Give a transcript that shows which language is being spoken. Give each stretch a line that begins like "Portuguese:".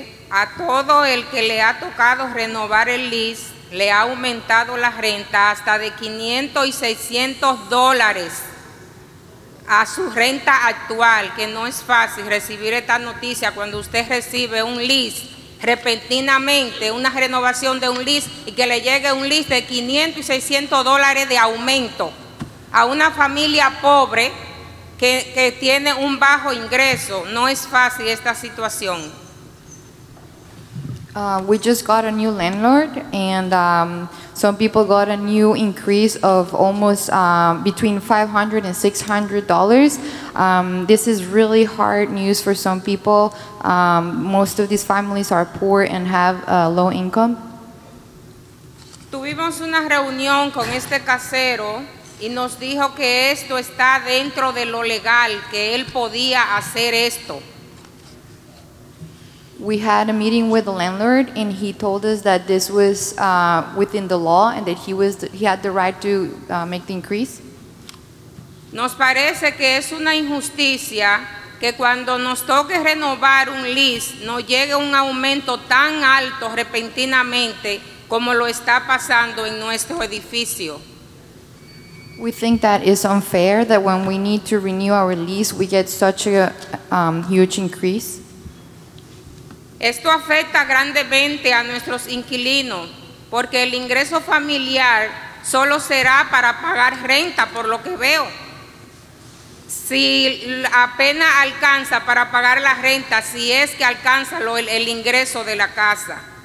Spanish: A todo el que le ha tocado renovar el lease, le ha aumentado la renta hasta de $500 y $600 a su renta actual, que no es fácil recibir esta noticia cuando usted recibe un lease repentinamente, una renovación de un lease, y que le llegue un lease de $500 y $600 de aumento a una familia pobre que tiene un bajo ingreso. No es fácil esta situación.
English: We just got a new landlord, and some people got a new increase of almost between $500 and $600. This is really hard news for some people. Most of these families are poor and have low income.
Spanish: Tuvimos una reunión con este casero y nos dijo que esto está dentro de lo legal, que él podía hacer esto.
English: We had a meeting with the landlord, and he told us that this was within the law and that he had the right to make the increase.
Spanish: Nos parece que es una injusticia que cuando nos toque renovar un lease no llegue un aumento tan alto repentinamente como lo está pasando en nuestro edificio.
English: We think that is unfair that when we need to renew our lease we get such a huge increase.
Spanish: Esto afecta grandemente a nuestros inquilinos porque el ingreso familiar solo será para pagar renta por lo que veo. Si apenas alcanza para pagar la renta, si es que alcanza el ingreso de la casa.